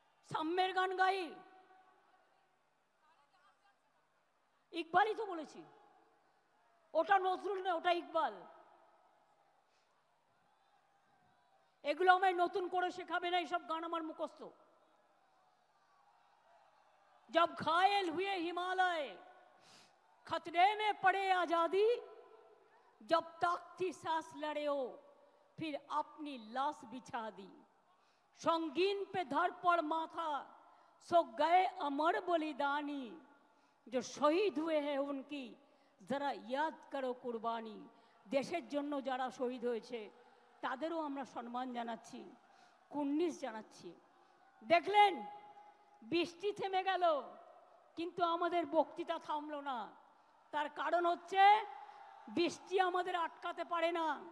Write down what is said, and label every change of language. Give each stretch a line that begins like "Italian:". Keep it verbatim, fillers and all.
Bangla: সাম্যের গান গাই, ইকবালই তো বলেছি। ওটা নজরুল না, ওটা ইকবাল। এগুলো আমায় নতুন করে শেখাবে না, এইসব গান আমার মুখস্থ।
Hindi: জব ঘায়েল হুয়ে হিমালয়, खतरे में पड़े आजादी, जब ताकती सांस लड़े हो फिर अपनी लाश बिछा दी, संगीन पे धर पर माथा सो गए अमर बलिदानी, जो शहीद हुए हैं उनकी जरा याद करो कुर्बानी।
Bangla: দেশের জন্য যারা শহীদ হয়েছে তাদেরও আমরা সম্মান জানাচ্ছি, কুর্নিশ জানাচ্ছি। দেখলেন বৃষ্টি থেমে গেল, কিন্তু আমাদের বক্তৃতা থামলো না। তার কারণ হচ্ছে বৃষ্টি আমাদের আটকাতে পারে না।